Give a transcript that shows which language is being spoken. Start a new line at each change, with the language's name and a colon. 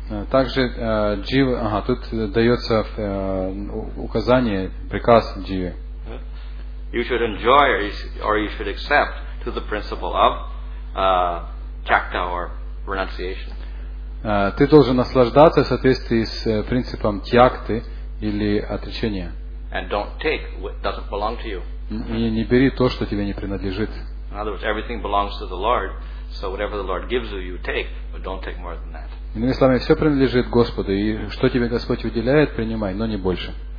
Russian: Также джива, ага, тут дается указание, приказ дживе.
English: You should enjoy or you should accept to the principle of chakta or renunciation.
Russian: Ты должен наслаждаться в соответствии с принципом тьякты или отречения.
English: And don't take what doesn't belong to you.
Russian: И не бери то, что тебе не принадлежит.
English: In other words, everything belongs to the Lord, so whatever the Lord gives you, you take, but don't take more than that.
Russian: Иными словами, все принадлежит Господу, и что тебе Господь выделяет, принимай, но не больше.